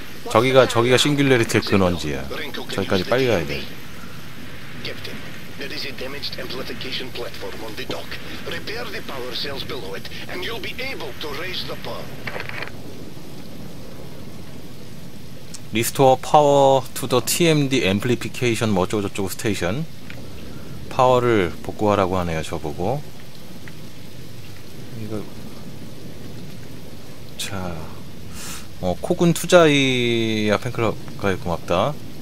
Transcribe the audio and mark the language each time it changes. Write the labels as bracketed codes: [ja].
[ko] 저기가 싱귤래리티의 근원지야. 저기까지 빨리 가야 돼. [en] There is a damaged amplification platform on the dock. Repair the power cells below it, and you'll be able to raise the bar. Restore power to the TMD amplification [ko] 뭐 어쩌고저쩌고 스테이션. 파워를 복구하라고 하네요, 저보고. 이거. 자. 어, 코군 투자이야 팬클럽 가입 고맙다.